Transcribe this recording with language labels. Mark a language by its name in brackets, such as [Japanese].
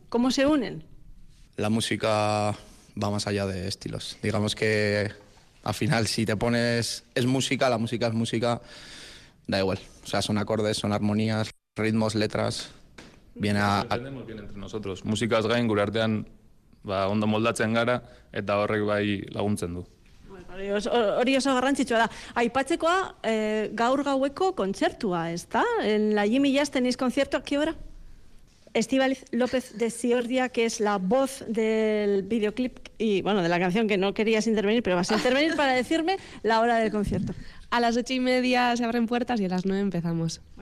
[Spanish] ¿Cómo se unen? La música va más allá de estilos. Digamos que al final, si te pones, es música, la música es música, da igual. O sea, son acordes, son armonías, ritmos, letras, viene a... Entendemos bien entre nosotros. Música es [Basque] gain, gure artean, ba, ondo moldatzen gara, eta horrek bai laguntzen du. Hori oso garrantzitsua da. Aipatzekoa, gaur gaueko kontzertua, ez da? [Spanish] En la Jimmy Jazz tenéis concierto, ¿a qué hora? Estíbaliz López de Ciordia, que es la voz del videoclip y, bueno, de la canción, que no querías intervenir, pero vas a intervenir para decirme la hora del concierto. A las 8:30 se abren puertas y a las 9 empezamos.